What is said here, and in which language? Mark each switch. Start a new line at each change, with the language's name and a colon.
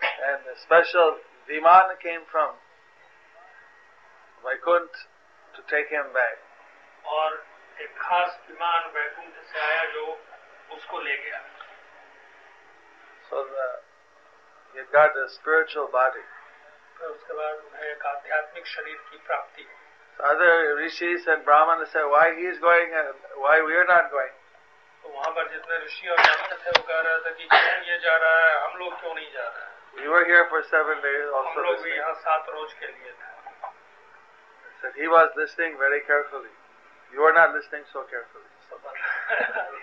English: And a special Viman came from Vaikunth to take him back.
Hindi: और एक खास विमान वैकुंठ से आया जो उसको ले गया.
English: So he got a spiritual body.
Hindi: फिर उसके बाद उन्हें एक आध्यात्मिक शरीर की प्राप्ति.
English: Other rishis and brahmana said, why he is going and why we are not going.
Hindi: तो वहाँ पर जितने ऋषि और ब्राह्मण थे वो कह रहे थे कि क्यों ये जा रहा है, हम लोग क्यों नहीं जा रहे हैं.
English: We were here for 7 days also listening. Said he was listening very carefully. You are not listening so carefully.